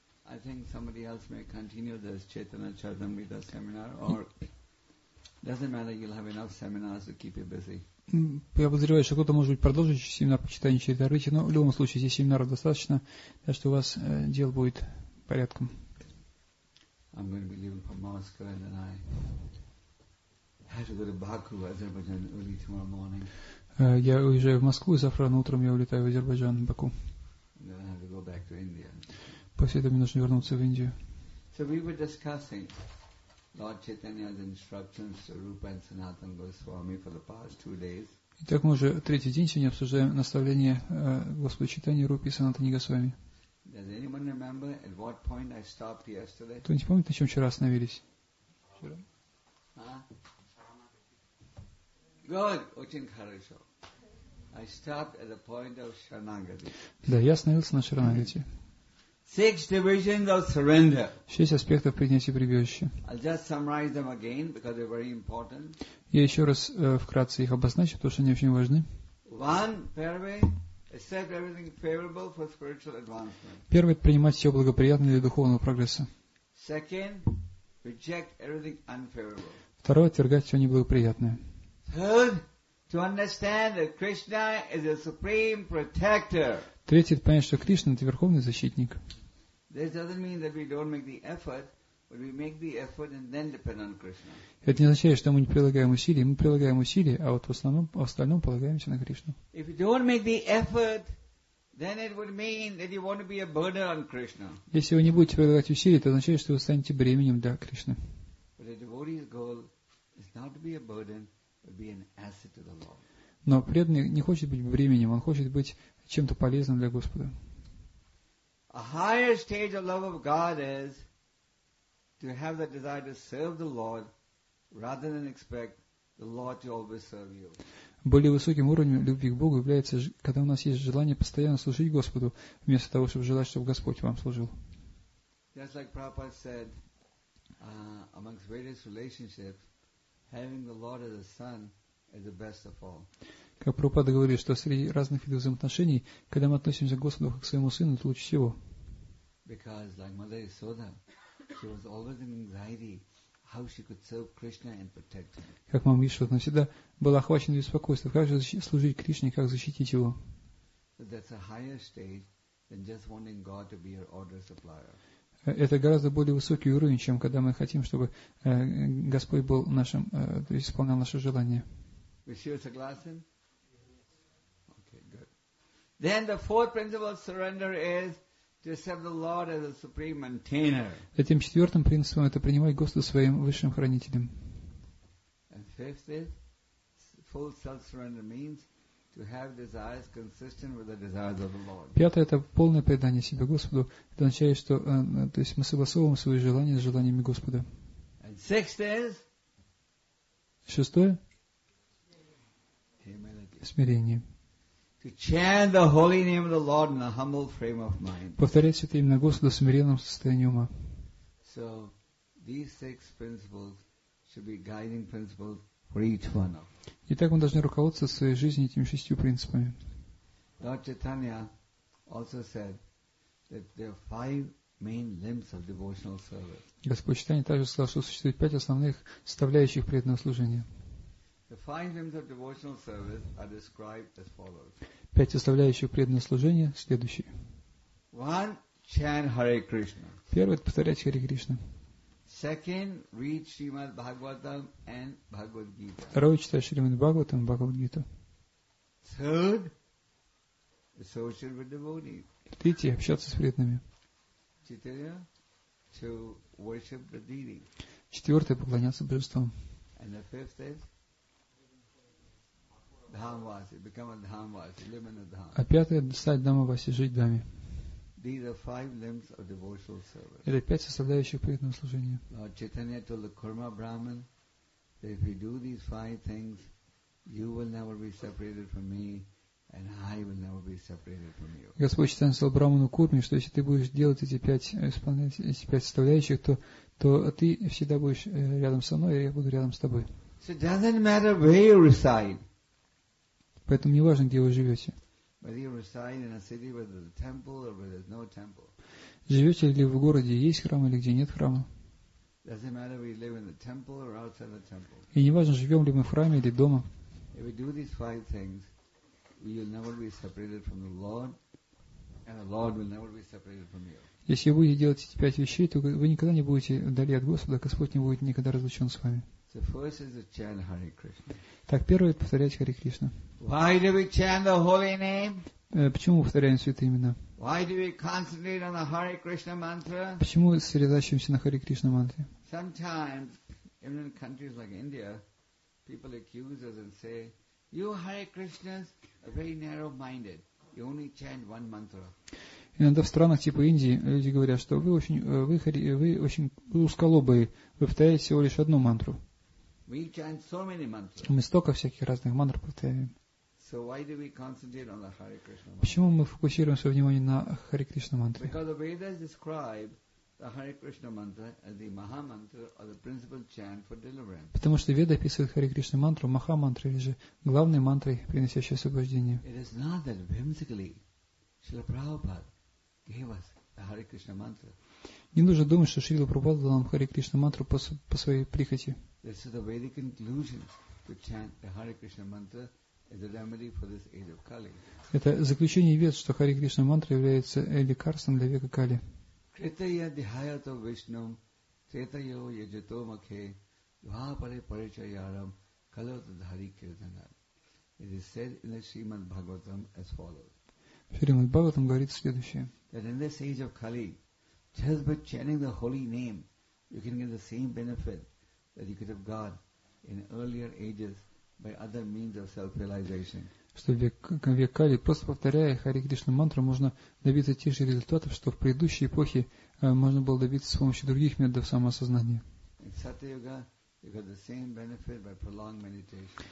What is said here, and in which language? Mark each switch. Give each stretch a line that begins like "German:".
English: I think somebody else may continue this Chaitanya Charitamrita seminar, or doesn't matter, you'll have enough seminars to keep you busy.
Russian: Я подозреваю, что кто-то может быть продолжить семинар по читанию Чайтарыти, но в любом случае здесь семинара достаточно, так что у вас дел будет порядком.
English: I'm going to be leaving for Moscow, and then I have to go to Baku, Azerbaijan, early tomorrow morning.
Russian: Я уезжаю в Москву, и завтра утром я улетаю в Азербайджан, в Баку.
English: Then I have to go back to India.
Russian: После этого мне нужно вернуться в Индию.
English: So we were discussing Lord Chaitanya's instructions to Rupa and Sanatana Goswami for the past two days.
Russian: Итак, мы уже третий день сегодня обсуждаем наставление Господа Чайтаньи Рупи и Санатаны Госвами.
English: Does anyone remember at what point I stopped yesterday?
Russian: Кто-нибудь помнит, на чем вчера остановились? Вчера? А?
English: Good,
Russian: очень хорошо.
English: I stopped at the point of Sharanagati.
Russian: Да, я остановился на Шаранагати.
English: Six divisions of surrender.
Russian: Шесть аспектов принятия прибежища.
English: I'll just summarize them again because they're very important.
Russian: Я еще раз вкратце их обозначу, потому что они очень важны.
English: One,
Russian: первый.
English: Accept everything favorable for spiritual advancement.
Russian: Первое, принимать все благоприятное для духовного прогресса.
English: Second, reject everything unfavorable.
Russian: Второе, отвергать все неблагоприятное.
English: Third, to understand that Krishna is a supreme protector.
Russian: Третье, понять, что Кришна — это верховный защитник.
English: This doesn't mean that we don't make the effort, but we make the effort and then depend on Krishna.
Russian: Это не означает, что мы не прилагаем усилий. Мы прилагаем усилия, а вот в остальном полагаемся на Кришну.
English: If you don't make the effort, then it would mean that you want to be a burden on Krishna.
Russian: Если вы не будете прилагать усилий, это означает, что вы станете бременем для Кришны.
English: But a devotee's goal is not to be a burden, but be an asset to the Lord.
Russian: Но преданный не хочет быть бременем, он хочет быть чем-то полезным для Господа.
English: A higher stage of love of God is to have the desire to serve the Lord rather than expect the Lord to always serve you.
Russian: Более высоким уровнем любви к Богу является, когда у нас есть желание постоянно служить Господу, вместо того, чтобы желать, чтобы Господь вам служил.
English: Just like Prabhupada said, amongst various relationships, having the Lord as a son is the best of all.
Russian: Как Прабхупада говорит, что среди разных видов взаимоотношений, когда мы относимся к Господу как к своему сыну, это лучше всего.
English: Because like Mother Yasoda, she was always in anxiety how she could serve Krishna and protect him.
Russian: Как мама Ишва, она всегда была охвачена беспокойством, как же служить Кришне, как защитить его.
English: That's a higher stage than just wanting God to be your order supplier.
Russian: Это гораздо более высокий уровень, чем когда мы хотим, чтобы Господь был нашим, то есть исполнял наши желания.
English: We see you
Russian: согласен?
English: Okay, good. Then the fourth principle of surrender is to accept the Lord as a supreme maintainer.
Russian: Этим четвертым принципом — это принимать Господа своим высшим хранителем.
English: And fifth is, full self-surrender means to have desires consistent with the desires of the Lord.
Russian: Пятое — это полное предание себя Господу. Это означает, что то есть мы согласовываем свои желания с желаниями Господа.
English: And sixth is,
Russian: шестое —
English: humility.
Russian: Смирение.
English: To chant the holy name of the Lord in a humble frame of mind.
Russian: Повторять это имя Господа в смиренном состоянии ума.
English: So these six principles should be guiding principles for each one of us.
Russian: Итак, мы должны руководиться в своей жизни этими шестью принципами.
English: Lord Chaitanya also said that there are five main limbs of devotional service.
Russian: Господь Чайтанья также сказал, что существует пять основных составляющих преданного служения.
English: The five limbs of devotional service are described as follows.
Russian: Пять составляющих преданного служения следующие.
English: One, chant Hare Krishna.
Russian: Первое — повторять Хари Кришна.
English: Second, read Srimad Bhagavatam and Bhagavad Gita.
Russian: Второе — читать Шримад Бхагаватам и Бхагавад Гиту.
English: Third, associate with devotees.
Russian: Третье — общаться с преданными. Четвертое,
English: to worship the deity.
Russian: Четвертое — поклоняться божествам.
English: And the fifth is Dhamvasi, become a Dhamvasi, live in a Dham.
Russian: А пятое — стать Дхамаваси, жить в Дхаме.
English: These are five limbs of devotional service.
Russian: Это пять составляющих преданного служения.
English: Lord Chaitanya told the Kurma Brahman that if you do these five things, you will never be separated from me, and I will never be separated from you.
Russian: Господь Чайтанья сказал Браману Курме, что если ты будешь делать эти пять составляющих, то то ты всегда будешь рядом со мной, и я буду рядом с тобой.
English: So it doesn't matter where you reside.
Russian: Поэтому не важно, где вы живете.
English: Whether you reside in a city where there's a temple or where there's no temple.
Russian: Живете ли вы в городе, есть храм или где нет храма?
English: Doesn't matter whether we live in the temple or outside the temple.
Russian: И не важно, живем ли мы в храме или дома.
English: If we do these five things, we will never be separated from the Lord, and the Lord will never be separated from you.
Russian: Если вы делаете эти пять вещей, то вы никогда не будете вдали от Господа, Господь не будет никогда разлучен с вами.
English: So first is to chant Hare Krishna.
Russian: Так, первое – это повторять Харе Кришна.
English: Why do we chant the holy name?
Russian: Почему мы повторяем святые имена?
English: Why do we concentrate on the Hare Krishna mantra?
Russian: Почему мы сосредоточиваемся на Харе Кришна мантре?
English: Sometimes, even in countries like India, people accuse us and say, you Hare Krishnas are very narrow-minded. You only chant one mantra.
Russian: Иногда в странах типа Индии люди говорят, что вы очень узколобые, вы повторяете всего лишь одну мантру.
English: We chant so many mantras.
Russian: Мы столько всяких разных мантр повторяем.
English: So why do we concentrate on the Hare Krishna mantra?
Russian: Почему мы фокусируем свое внимание на Харе Кришна мантре?
English: Because the Vedas describe the Hare Krishna mantra as the Maha mantra or the principal chant for deliverance.
Russian: Потому что Веды описывают Харе Кришна мантру Маха мантра или же главной мантрой, приносящей освобождение.
English: It is not that whimsically Шрила Прабхупада gave us the Hare Krishna mantra.
Russian: Не нужно думать, что Шрила Прабхупада дал нам Харе Кришна мантру по своей прихоти.
English: This is the Vedic conclusion to chant the Hare Krishna mantra. Is a remedy for this age of Kali.
Russian: Это заключение Вед, что Харе Кришна мантра является лекарством для века Кали.
Sanskrit: Kritaya dihayato Vishnum, Tretayo yajato makhe, Dvapare parichayaram, Kalota dhari kirtanam.
English: It is said in the Srimad Bhagavatam as follows.
Russian: В Srimad Bhagavatam говорит следующее.
English: That in this age of Kali, just by chanting the holy name, you can get the same benefit that you could have got in earlier ages by other means of self-realization.
Russian: Что век Кали, просто повторяя Харе Кришна мантру, можно добиться тех же результатов, что в предыдущей эпохе можно было добиться с помощью других методов самоосознания.
English: In Satya-yuga, you got the same benefit by prolonged meditation.